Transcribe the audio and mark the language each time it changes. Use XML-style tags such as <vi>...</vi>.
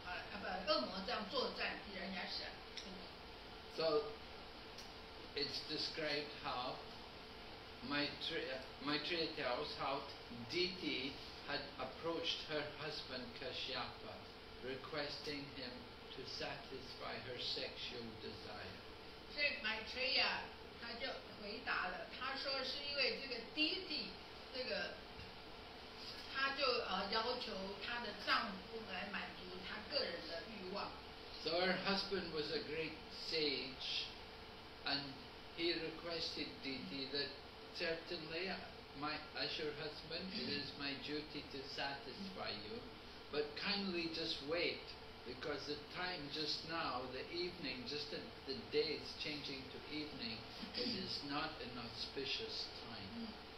<zh>那，Vidura首先问的问题就是说，这个主的豪猪化身，为什么要跟这个恶魔这样子开始，恶魔这样作战 Hiranyaksha？</zh> <en>So, it's described how Maitreya tells how Diti had approached her husband Kashyapa, requesting him to satisfy her sexual desire.</en> <zh>So Maitreya, 他就回答了，他说是因为这个Diti，这个，他就要求他的丈夫来满足他个人的欲望。</zh> <en>So her husband was a great sage, and he requested Diti that, certainly, as your husband, it is my duty to satisfy you, but kindly just wait, because the time just now, the evening, just the day is changing to evening, it is not an auspicious time.</en>